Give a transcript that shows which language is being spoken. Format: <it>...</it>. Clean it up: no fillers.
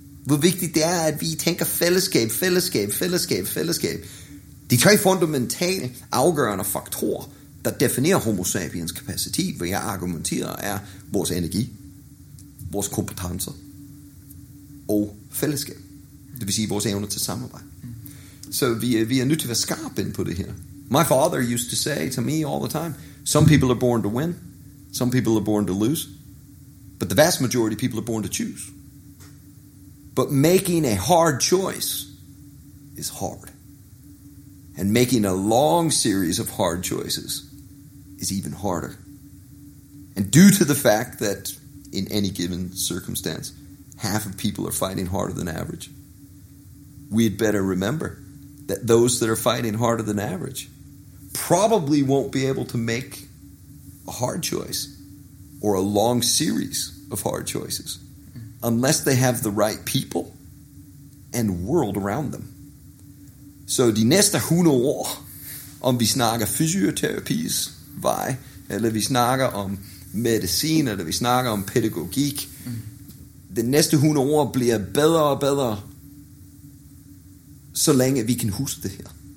<da>hvor vigtigt det er, at vi tænker fællesskab, fællesskab, fællesskab, fællesskab. De tre fundamentale afgørende faktorer, der definerer homo sapiens kapacitet, hvad jeg argumenterer, er vores energi, vores kompetencer og fællesskab. Det vil sige vores evne til samarbejde. Så vi er nødt til at være skarpe ind på det her.</da> <en>My father used to say to me all the time, some people are born to win, some people are born to lose, but the vast majority of people are born to choose. But making a hard choice is hard. And making a long series of hard choices is even harder. And due to the fact that in any given circumstance, half of people are fighting harder than average, we'd better remember that those that are fighting harder than average probably won't be able to make a hard choice or a long series of hard choices unless they have the right people and world around them.</en> <da>So de næste 100 år, om vi snakker fysioterapis vej, eller vi snakker om medicin, eller vi snakker om pædagogik, de næste 100 år bliver bedre og bedre, så længe vi kan huske det her.</da>